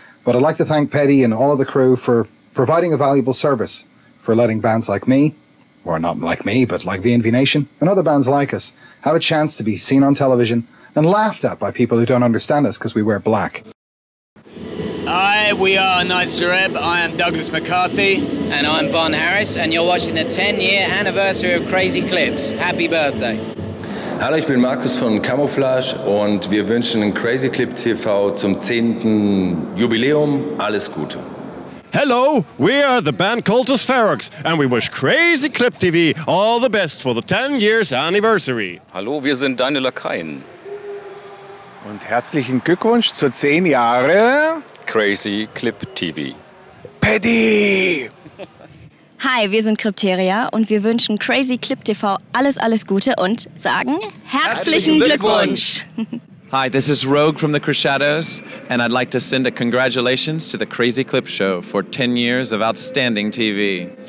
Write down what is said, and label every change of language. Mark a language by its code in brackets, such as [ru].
[en] But I'd like to thank Petty and all of the crew for providing a valuable service, for letting bands like me, or not like me, but like VNV Nation and other bands like us, have a chance to be seen on television and laughed at by people who don't understand us because we wear black. Hi, we are Knights of Reb. I am Douglas McCarthy. And I'm Bon Harris, and you're watching the 10-year anniversary of Crazy Clips. Happy birthday. [de] Hallo, ich bin Markus von Camouflage und wir wünschen Crazy Clip TV zum 10. Jubiläum alles Gute. [en] Hello, we are the band Cultus Ferox and we wish Crazy Clip TV all the best for the 10 years anniversary. [de] Hallo, wir sind Deine Lakaien. Und herzlichen Glückwunsch zur 10 Jahre Crazy Clip TV. Paddy! Hi, wir sind Krypteria und wir wünschen Crazy Clip TV alles, alles Gute und sagen herzlichen Glückwunsch! [en] Hi, this is Rogue from the Crescendos and I'd like to send a congratulations to the Crazy Clip Show for 10 years of outstanding TV.